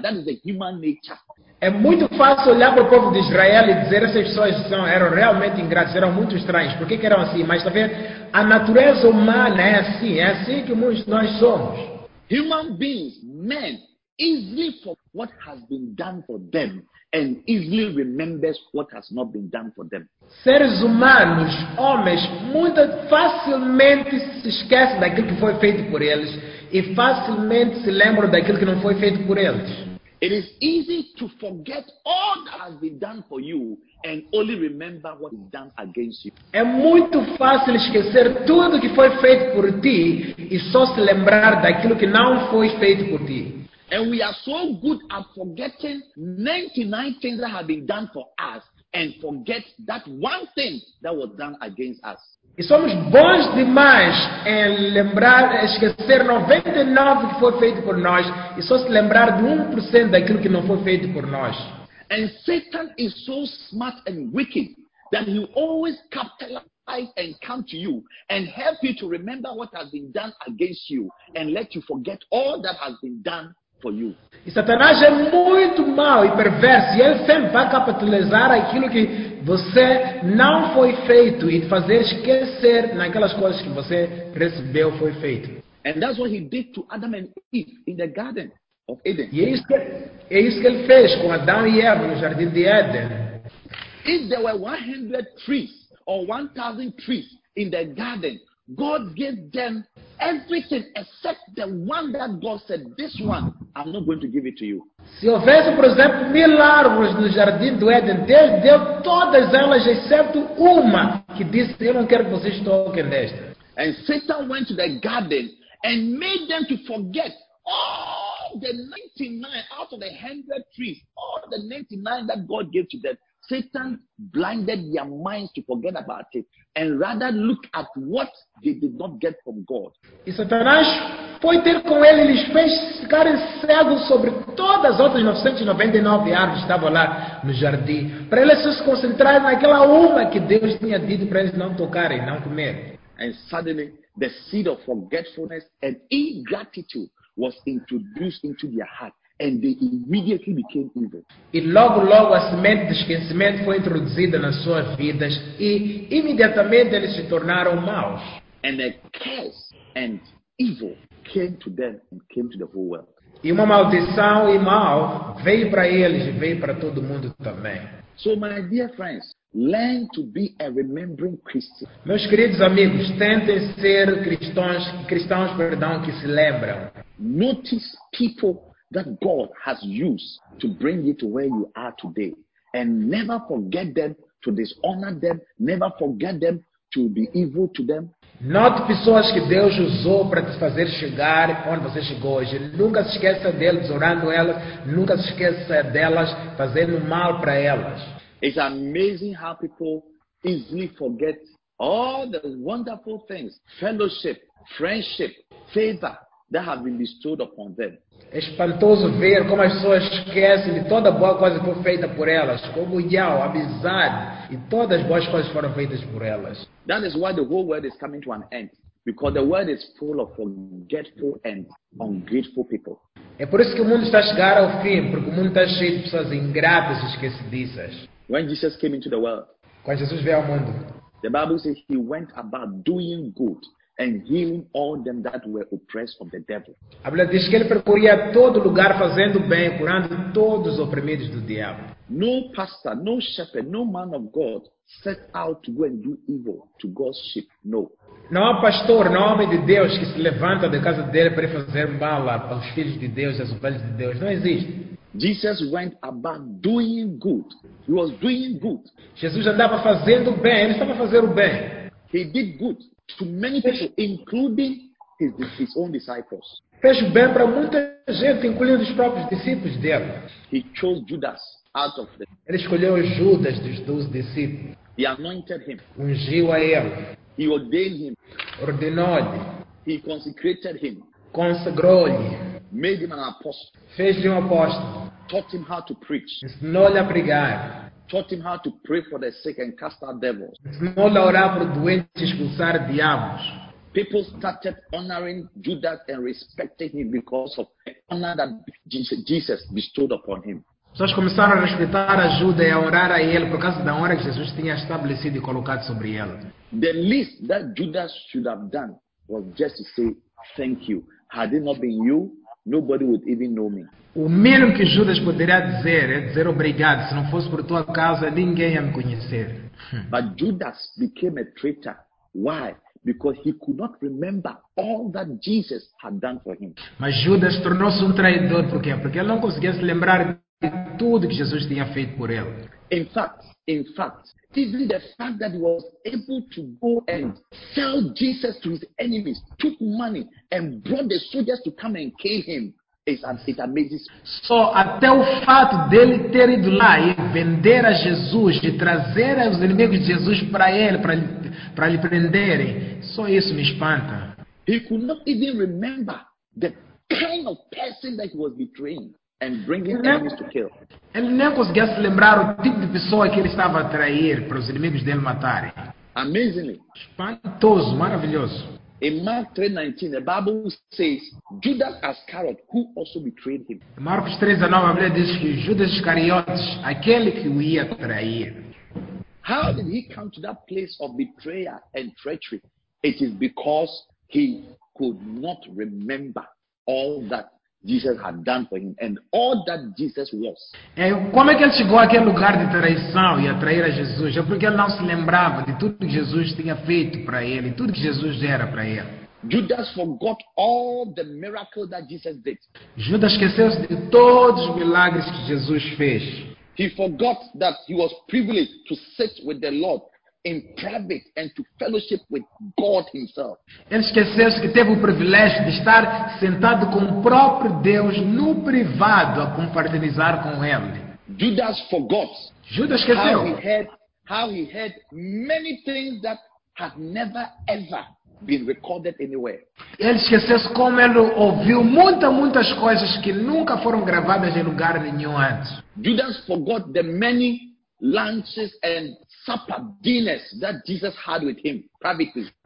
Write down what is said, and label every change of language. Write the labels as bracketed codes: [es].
[en] That is the human nature. [pt] É muito fácil olhar para o povo de Israel e dizer essas pessoas eram realmente ingratas, eram muito estranhas. Por que eram assim? Mas está vendo? A natureza humana é assim que muitos de nós somos. [en] Human beings, men, easily forget what has been done for them and easily remembers what has not been done for them. [pt] Seres humanos, homens, muito facilmente se esquecem daquilo que foi feito por eles e facilmente se lembram daquilo que não foi feito por eles. [en] It is easy to forget all that has been done for you and only remember what is done against you. [pt] É muito fácil esquecer tudo que foi feito por ti e só se lembrar daquilo que não foi feito por ti. [en] And we are so good at forgetting 99 things that have been done for us and forget that one thing that was done against us. [pt] E somos bons demais em lembrar, esquecer 99% que foi feito por nós e só se lembrar de 1% daquilo que não foi feito por nós. [en] And Satan is so smart and wicked that he always capitalizes and comes to you and help you to remember what has been done against you and let you forget all that has been done for you. [pt] E Satanás é muito mau e perverso e ele sempre vai capitalizar aquilo que você não foi feito e te fazer esquecer naquelas coisas que você recebeu foi feito. [en] And that's what he did to Adam and Eve in the garden of Eden. [pt] E é isso que ele fez com Adão e Eva no jardim de Éden. [en] If there were 100 trees or 1000 trees in the garden, God gave them everything except the one that God said, this one, I'm not going to give it to you. [pt] Se houvesse, por exemplo, 1000 árvores no jardim do Éden, Deus deu todas elas, exceto uma, que disse, eu não quero que vocês toquem nesta. [en] And Satan went to the garden and made them to forget all the 99 out of the 100 trees, all the 99 that God gave to them. Satan blinded their minds to forget about it and rather look at what they did not get from God. [pt] E Satanás foi ter com ele e lhes fez ficarem cegos sobre todas as outras 999 árvores que estavam lá no jardim, para eles se concentrarem naquela uma que Deus tinha dito para eles não tocarem, não comer. [en] And suddenly, the seed of forgetfulness and ingratitude was introduced into their heart. And they immediately became evil. [pt] E logo, logo a semente de esquecimento foi introduzida nas suas vidas e imediatamente eles se tornaram maus. [en] And a curse and evil came to them and came to the whole world. [pt] E uma maldição e mal veio para eles e veio para todo mundo também. [en] So my dear friends, learn to be a remembering Christian. [pt] Meus queridos amigos, tentem ser cristãos, que se lembram. [en] Notice people that God has used to bring you to where you are today. And never forget them, to dishonor them, never forget them, to be evil to them. [pt] Note pessoas que Deus usou para te fazer chegar onde você chegou hoje. Nunca se esqueça deles, orando elas. Nunca se esqueça delas, fazendo mal para elas. [en] It's amazing how people easily forget all the wonderful things, fellowship, friendship, favor, that have been bestowed upon them. [pt] É espantoso ver como as pessoas esquecem de toda a boa coisa que foi feita por elas. Comunhão, amizade e todas as boas coisas foram feitas por elas. [en] That is why the whole world is coming to an end. Because the world is full of forgetful and ungrateful people. [pt] É por isso que o mundo está a chegar ao fim. Porque o mundo está cheio de pessoas ingratas e esquecidiças. [en] When Jesus came into the world, [pt] quando Jesus veio ao mundo, [en] the Bible says he went about doing good and healing all them that were oppressed of the devil. [pt] A Bíblia diz que ele percorria todo lugar fazendo bem, curando todos os oprimidos do diabo. [en] No pastor, no shepherd, no man of God set out to go and do evil to God's sheep. No. [pt] Não há pastor, não há homem de Deus que se levanta da casa dele para fazer mal aos filhos de Deus, às ovelhas de Deus. Não existe. [en] Jesus went about doing good. He was doing good. [pt] Jesus andava fazendo bem. Ele estava fazendo bem. [en] He did good to many people, including his own disciples. [pt] Fez bem para muita gente, incluindo os próprios discípulos dele. [en] He chose Judas out of them. [pt] Ele escolheu Judas dos 12 discípulos. [en] He anointed him. [pt] Ungiu a ele. [en] He ordained him. [pt] Ordenou-lhe. [en] He consecrated him. [pt] Consagrou-lhe. [en] Made him an apostle. [pt] Fez-lhe apóstolo. [en] Taught him how to preach. [pt] Ensinou-lhe a pregar. [en] Taught him how to pray for the sick and cast out devils. [pt] Ensinou-lhe a orar por doentes e expulsar diabos. [en] People started honoring Judas and respecting him because of the honor that Jesus bestowed upon him. [pt] Pessoas começaram a respeitar a Judas e a orar a ele por causa da honra que Jesus tinha estabelecido e colocado sobre ele. [en] The least that Judas should have done was just to say thank you. Had it not been you, nobody would even know me. [pt] O mínimo que Judas poderia dizer é dizer obrigado. Se não fosse por tua causa, ninguém ia me conhecer. [en] But Judas became a traitor. Why? Because he could not remember all that Jesus had done for him. [pt] Mas Judas tornou-se traidor. Por quê? Porque ele não conseguia se lembrar de tudo que Jesus tinha feito por ele. [en] In fact, even the fact that he was able to go and sell Jesus to his enemies, took money and brought the soldiers to come and kill him, It amazes. [pt] Só até o fato dele ter ido lá e vender a Jesus, de trazer os inimigos de Jesus para ele, para lhe prenderem, só isso me espanta. [en] He could not even remember the kind of person that he was betraying and bringing enemies to kill. [pt] Ele nem conseguia se lembrar o tipo de pessoa que ele estava a trair para os inimigos dele matarem. [en] Amazingly. [pt] Espantoso, maravilhoso. [en] In Mark 3:19, the Bible says Judas Iscariot, who also betrayed him. [pt] Marcos 3:19, a Bíblia diz que Judas Iscariotes, aquele que o ia trair. [en] How did he come to that place of betrayal and treachery? It is because he could not remember all that Jesus had done for him and all that Jesus was. [pt] Como é que ele chegou àquele lugar de traição e a trair a Jesus? É porque ele não se lembrava de tudo que Jesus tinha feito para ele, tudo que Jesus era para ele. [en] Judas forgot all the miracles that Jesus did. [pt] Judas esqueceu-se de todos os milagres que Jesus fez. [en] He forgot that he was privileged to sit with the Lord in private and to fellowship with God himself. [pt] Ele esqueceu-se que teve o privilégio de estar sentado com o próprio Deus no privado a confraternizar com ele. [en] Judas forgot. [pt] Judas esqueceu. [en] How he had many things that had never ever been recorded anywhere. [pt] Ele esqueceu-se como ele ouviu muitas coisas que nunca foram gravadas em lugar nenhum antes. [en] Judas forgot the many lunches and supper dinners that Jesus had with him privately.